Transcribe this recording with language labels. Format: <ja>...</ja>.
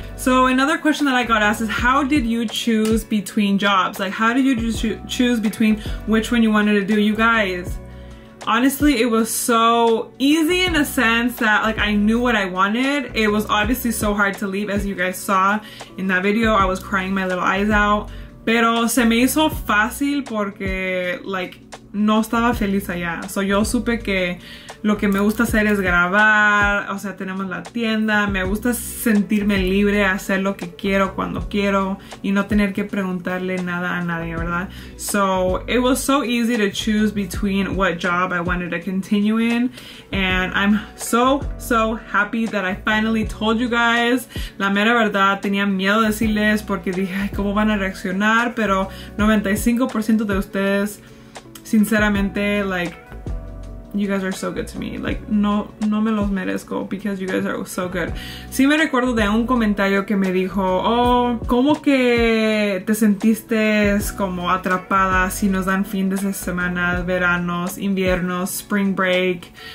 <en>So another question that I got asked is, how did you choose between jobs? Like, how did you choose between which one you wanted to do? You guys, honestly, it was so easy in a sense that, like, I knew what I wanted. It was obviously so hard to leave, as you guys saw in that video. I was crying my little eyes out.</en> <es>Pero se me hizo fácil porque, like, no estaba feliz allá. So yo supe que lo que me gusta hacer es grabar. O sea, tenemos la tienda. Me gusta sentirme libre, hacer lo que quiero cuando quiero y no tener que preguntarle nada a nadie, ¿verdad?</es> <en>So it was so easy to choose between what job I wanted to continue in. And I'm so, so happy that I finally told you guys.</en> <es>La mera verdad, tenía miedo decirles porque dije, ay, ¿cómo van a reaccionar? Pero 95% de ustedes, sinceramente,</es> <en>like, you guys are so good to me. Like,</en> <es>no me los merezco</es> <en>because you guys are so good.</en> <es>Sí me recuerdo de un comentario que me dijo, oh, ¿cómo que te sentiste como atrapada si nos dan fines de semana, veranos, inviernos, spring break?</es>